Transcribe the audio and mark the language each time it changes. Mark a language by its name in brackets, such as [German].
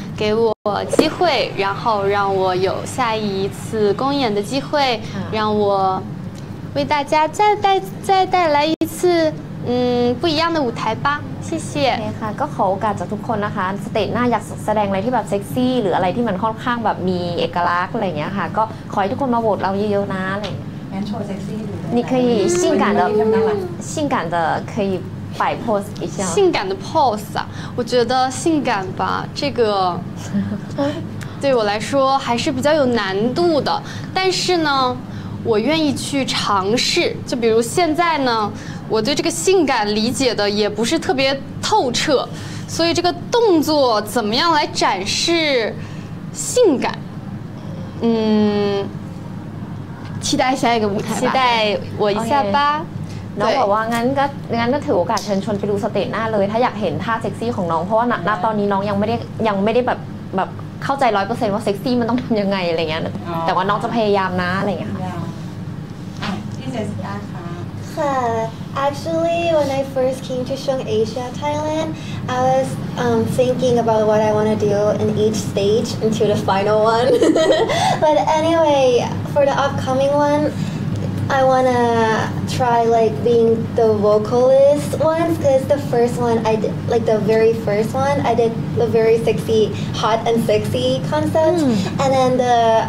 [Chinese] 给我机会，然后让我有下一次公演的机会，让我为大家再带来一次不一样的舞台吧。谢谢。 [Thai] โอเคค่ะก็ขอโอกาสจากทุกคนนะคะสเตจหน้าอยากแสดงอะไรที่แบบเซ็กซี่หรืออะไรที่มันค่อนข้างแบบมีเอกลักษณ์อะไรเงี้ยค่ะก็ขอให้ทุกคนมาโหวตเราเยอะๆนะอะไร งั้ นโชว์เซ็กซี่ดู [Chinese] นี่可以性感的性感的可以摆 pose 一下性感的 pose 啊我觉得性感吧这个对我来说还是比较有难度的但是呢我愿意去尝试就比如现在呢我对这个性感理解的也不是特别透彻所以这个动作怎么样来展示性感期待下一个舞台吧期待我一下吧、okay. [Thai] น้องบอกว่างั้นก็งั้นก็ถือโอกาสเชิญชวนไปดูสเตจหน้าเลยถ้าอยากเห็นท่าเซ็กซี่ของน้องเพราะว่าณตอนนี้น้องยังไม่ได้แบบเข้าใจ 100% ว่าเซ็กซี่มันต้องทำยังไงอะไรเงี้ยแต่ว่าน้องจะพยายามนะอะไรเงี้ยค่ะ พี่ เจส สิ ก้าค่ะ [English] actually when I first came to Shung Asia Thailand I was thinking about what I want to do in each stage until the final one but anyway for the upcoming oneI wanna try like being the vocalist once because the first one I did like the very first one I did the very sexy hot and sexy concept and then the